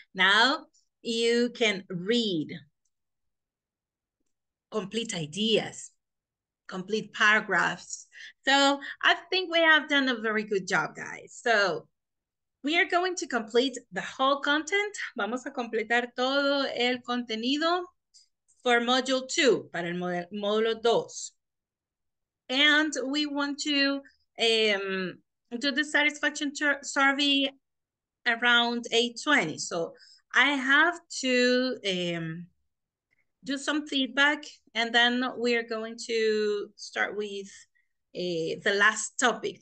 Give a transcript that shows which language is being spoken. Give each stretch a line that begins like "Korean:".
English: Now you can read complete ideas, complete paragraphs. So I think we have done a very good job, guys. So we are going to complete the whole content.
Spanish: Vamos a completar todo el contenido
English: for module two,
Spanish: para el módulo dos.
English: And we want to do the satisfaction survey around 8:20. So I have to do some feedback, and then we are going to start with the last topic.